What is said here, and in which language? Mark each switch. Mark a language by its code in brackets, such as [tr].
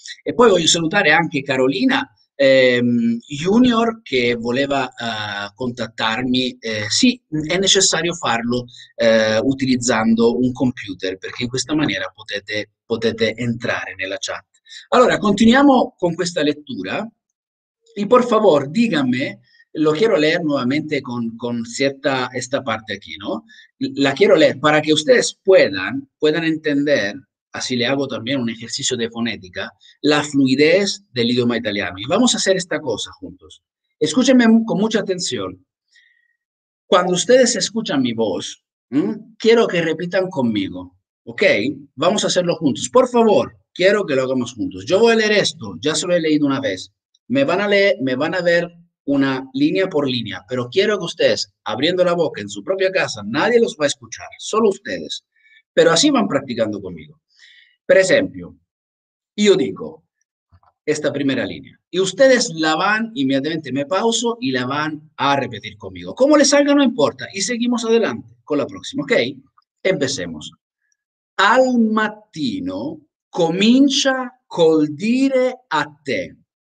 [it] E poi voglio salutare anche Carolina. Junior che voleva contattarmi, sì, è necessario farlo utilizzando un computer perché in questa maniera potete entrare nella chat. Allora, continuiamo con questa lettura. [es] E por favor, dígame, lo quiero leer nuevamente con cierta esta parte aquí, ¿no? La quiero leer para que ustedes puedan entender. Así le hago también un ejercicio de fonética, la fluidez del idioma italiano. Y vamos a hacer esta cosa juntos. Escúchenme con mucha atención. Cuando ustedes escuchan mi voz, quiero que repitan conmigo, ¿ok? Vamos a hacerlo juntos. Por favor, quiero que lo hagamos juntos. Yo voy a leer esto, ya se lo he leído una vez. Me van a ver una línea por línea, pero quiero que ustedes, abriendo la boca en su propia casa, nadie los va a escuchar, solo ustedes. Pero así van practicando conmigo. [it] Per esempio, io dico questa prima linea e [es] ustedes la van [it] immediatamente, [es] me pauso [it] e la van a ripetere [es] conmigo. [it] Come le salga non importa e [es] seguimos adelante [it] con la prossima, ok? [es] Empecemos. [it] Al mattino comincia col dire a te.